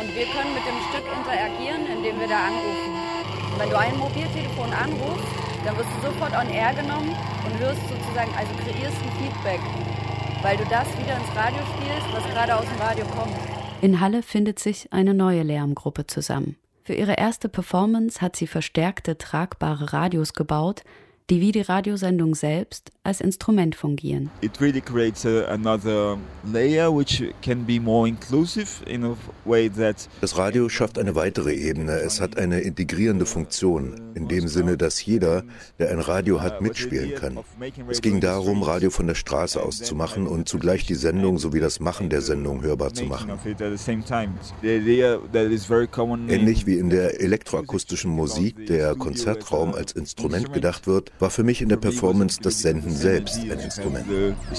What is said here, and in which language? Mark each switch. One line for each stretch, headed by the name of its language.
German: Und wir können mit dem Stück interagieren, indem wir da anrufen. Und wenn du ein Mobiltelefon anrufst, dann wirst du sofort on air genommen und hörst sozusagen, also kreierst ein Feedback, weil du das wieder ins Radio spielst, was gerade aus dem Radio kommt. In Halle findet sich eine neue Lärmgruppe zusammen. Für ihre erste Performance hat sie verstärkte, tragbare Radios gebaut, die wie die Radiosendung selbst als Instrument fungieren.
English: It really creates another layer which can be more inclusive in a way that
German: das Radio schafft eine weitere Ebene. Es hat eine integrierende Funktion in dem Sinne, dass jeder, der ein Radio hat, mitspielen kann. Es ging darum, Radio von der Straße aus zu machen und zugleich die Sendung sowie das Machen der Sendung hörbar zu machen. Ähnlich wie in der elektroakustischen Musik der Konzertraum als Instrument gedacht wird, war für mich in der Performance das Senden selbst ein Instrument.